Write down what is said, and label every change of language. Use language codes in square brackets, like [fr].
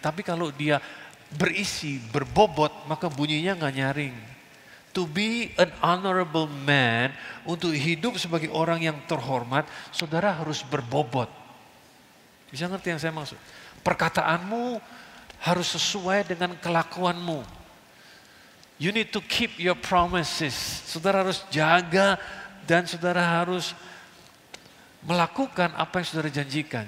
[id] Tapi kalau dia berisi, berbobot, maka bunyinya gak nyaring. [en] To be an honorable man, [id] untuk hidup sebagai orang yang terhormat, saudara harus berbobot. Bisa ngerti yang saya maksud? Perkataanmu harus sesuai dengan kelakuanmu. [en] You need to keep your promises. [id] Saudara harus jaga dan saudara harus melakukan apa yang saudara janjikan.